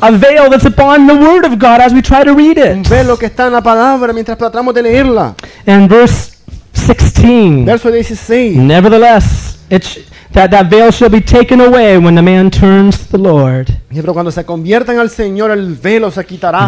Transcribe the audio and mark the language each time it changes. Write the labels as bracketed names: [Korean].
[English] A veil that's upon the Word of God as we try to read it. [Spanish] Un velo que está en la palabra mientras tratamos de leerla. [English] And verse 16. [Spanish] Verso 16. [English] Nevertheless, that veil shall be taken away when the man turns to the Lord. [Spanish] Pero cuando se conviertan al Señor, el velo se quitará.